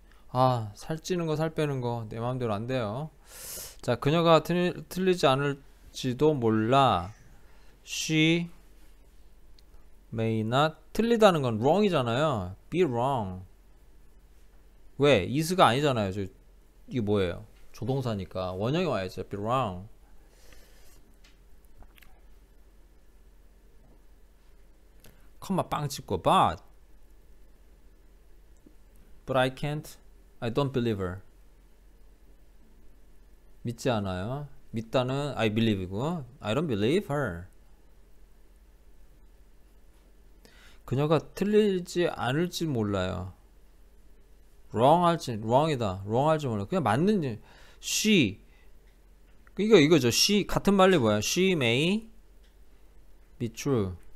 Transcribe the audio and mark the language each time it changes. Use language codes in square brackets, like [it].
[ko] 아 살찌는 거살 빼는 거내 마음대로 안 돼요 자 그녀가 틀리지 않을지도 몰라 [en] she may not [ko] 틀리다는 건 wrong이잖아요 [en] be wrong [ko] 왜 is가 아니잖아요 저 이게 뭐예요? 조동사니까 원형이 와야죠. [en] Be wrong. [ko] 콤마 빵 찍고 [en] but I can't. I don't believe her. [ko] 믿지 않아요. 믿다는 [en] I believe이고 I don't believe her. [ko] 그녀가 틀리지 않을지 몰라요. wrong 할지 wrong이다 wrong 할지 몰라 그냥 맞는지 she 이거 이거죠 she 같은 말이 뭐야 [en] she may be true